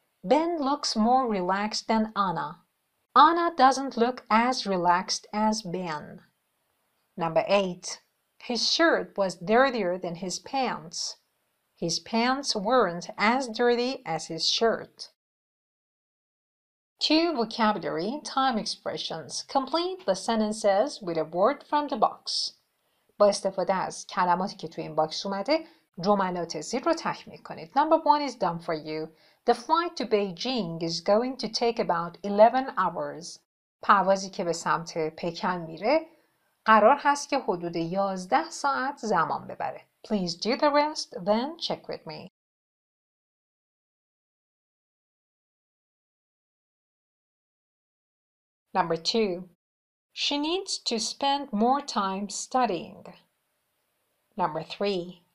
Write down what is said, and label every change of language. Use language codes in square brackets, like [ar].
[en] Ben looks more relaxed than Anna. Anna doesn't look as relaxed as Ben. Number 8. His shirt was dirtier than his pants. His pants weren't as dirty as his shirt. 2 vocabulary time expressions. Complete the sentences with a word from the box. [fa] با استفاده از کلماتی که توی این باکس اومده جملات زیر رو تکمیل کنید. [en] Number 1 is done for you. The flight to Beijing is going to take about 11 hours. [fa] پروازی که به سمت پکن میره قرار هست که حدود 11 ساعت زمان ببره. [en] Please do the rest, then check with me. Number 2. She needs to spend more time studying. Number 3.